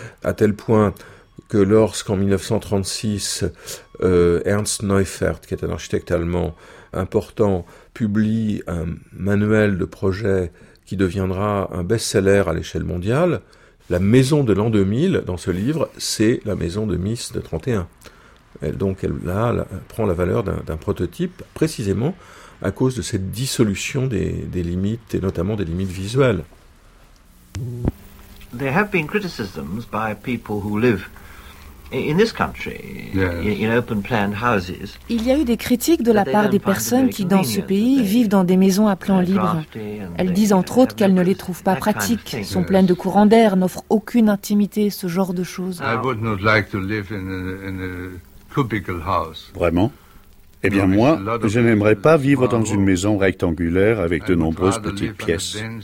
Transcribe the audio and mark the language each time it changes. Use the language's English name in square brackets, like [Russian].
[French] À tel point que lorsqu'en 1936, Ernst Neufert, qui est un architecte allemand important, publie un manuel de projet qui deviendra un best-seller à l'échelle mondiale, la maison de l'an 2000, dans ce livre, c'est la maison de Mies de 31. Elle prend la valeur d'un prototype précisément à cause de cette dissolution des limites et notamment des limites visuelles. [English] There have been criticisms by people who live in this country, in open-planned houses. [French] Il y a eu des critiques de la part des personnes qui, dans ce pays, vivent dans des maisons à plan libre. Elles disent entre autres qu'elles ne les trouvent pas pratiques, sont pleines de courants d'air, n'offrent aucune intimité, ce genre de choses. [English] I would not like to live in a cubicle house. [French] Vraiment ? Eh bien moi, je n'aimerais pas vivre dans une maison rectangulaire avec de nombreuses petites pièces.